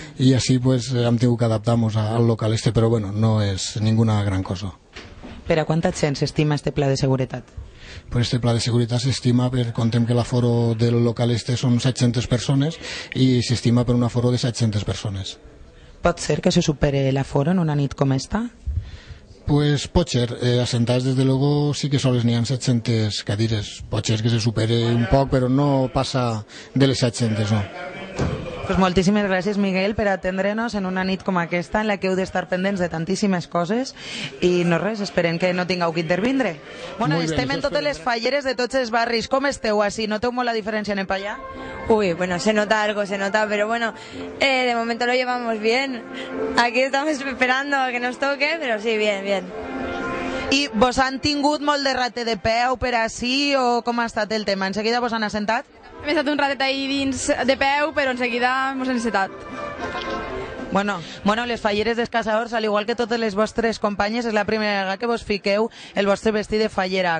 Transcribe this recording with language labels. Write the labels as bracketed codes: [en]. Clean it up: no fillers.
[ca] I així pues hem tingut que adaptar-nos al local este, però bueno, no és ninguna gran cosa. Per a quanta gent s'estima este pla de seguretat? Pues este pla de seguretat s'estima per contem que l'aforo del local este són 700 persones i s'estima per un aforo de 700 persones. ¿Pot ser que se supere el aforo en una nit com esta? Pues pot ser, assentats des de luego sí que soles n'hi ha 700 cadires. Pot ser que se supere un poc, però no passa de les 700, no. Pues moltíssimes gràcies, Miguel, per atendre-nos en una nit com aquesta, en la que heu d'estar pendents de tantíssimes coses. I no res, esperem que no tingueu que intervindre. Bueno, muy estem bien, en totes les falleres de tots els barris. Com esteu així? ¿Noteu molt la diferència en el Pallà? [es] Uy, bueno, se nota algo, se nota, pero bueno, de momento lo llevamos bien. Aquí estamos esperando a que nos toque, pero sí, bien, bien. [ca] I vos han tingut molt de rate de peu per així o com ha estat el tema? En seguida vos han assentat? Hem estat un ratet ahí dins de peu, però en seguida mos han assentat. Bueno, les falleres dels caçadors, al igual que totes les vostres companyes, és la primera vegada que vos fiqueu el vostre vestit de fallera.